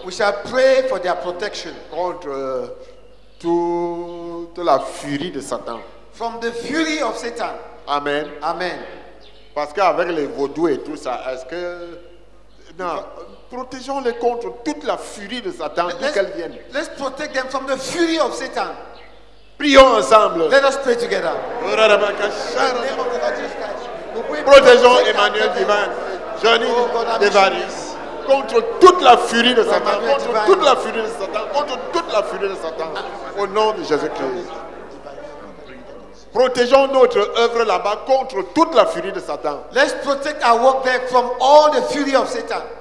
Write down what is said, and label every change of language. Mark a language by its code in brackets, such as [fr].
[en] We shall pray for their protection [fr] contre toute la furie de Satan. [en] From the fury of Satan. Amen. Amen. [fr] Parce qu'avec les vaudous et tout ça, est-ce que non, protégeons-les contre toute la furie de Satan d'où qu'elle vienne. [en] Let's protect them from the fury of Satan. [fr] Prions ensemble. [en] Let us pray together. In the name of the Lord Jesus Christ. [fr] Protégeons Emmanuel Divine, Johnny Devaris, contre toute la furie de Satan, au nom de Jésus-Christ. Protégeons notre œuvre là-bas contre toute la furie de Satan. [en] Let's protect our work there from all the fury of Satan.